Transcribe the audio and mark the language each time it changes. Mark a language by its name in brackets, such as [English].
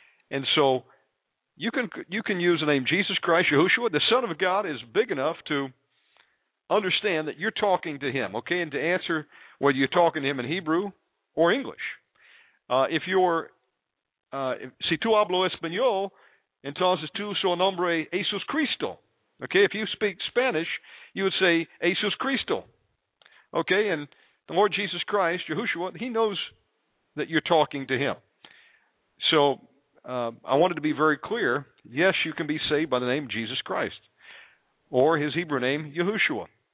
[English] And so you can use the name Jesus Christ, Yahushua. The Son of God is big enough to understand that you're talking to him, okay, and to answer whether you're talking to him in Hebrew or English. If you're, [Spanish] si tu hablo español, entonces tu su nombre Jesus Cristo. [English] Okay, if you speak Spanish, you would say Jesus Cristo. Okay, and the Lord Jesus Christ, Yahushua, he knows that you're talking to him. So I wanted to be very clear. Yes, you can be saved by the name Jesus Christ or his Hebrew name, Yahushua.